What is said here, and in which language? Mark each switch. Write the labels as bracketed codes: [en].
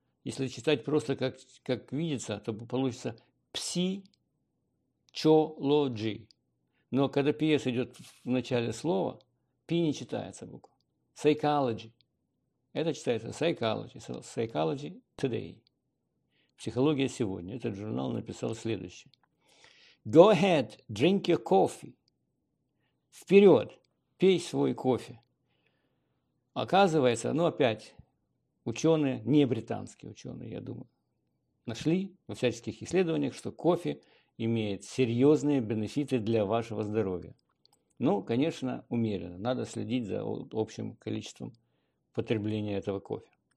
[ru] Если читать просто как видится, то получится psychology. Но когда PS идет в начале слова, P не читается буква. Psychology. Это читается psychology. Psychology today. Психология сегодня. Этот журнал написал следующее. [en] Go ahead, drink your coffee. [ru] Вперед, пей свой кофе. Оказывается, ну опять, ученые, не британские ученые, я думаю, нашли во всяческих исследованиях, что кофе имеет серьезные бенефиты для вашего здоровья. Ну, конечно, умеренно. Надо следить за общим количеством потребления этого кофе.